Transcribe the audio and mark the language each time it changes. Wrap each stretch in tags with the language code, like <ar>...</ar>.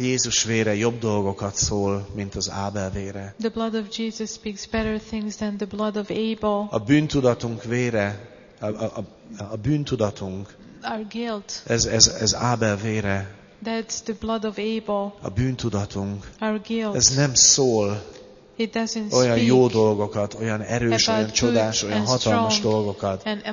<hu>Jézus vére jobb dolgokat szól, mint az Ábel vére.</hu> <en>The blood of Jesus speaks better things than the blood of Abel.</en> <hu>A bűntudatunk vére, a bűntudatunk.</hu> <en>Our guilt.</en> <hu>Ez Ábel vére.</hu> <en>That's the blood of Abel.</en> <hu>A bűntudatunk.</hu> <en>Our guilt.</en> <hu>Ez nem szól.</hu> <en>It doesn't</en> <hu>olyan</hu> <en>speak</en> <hu>jó dolgokat, olyan erős, olyan csodás, olyan hatalmas dolgokat.</hu>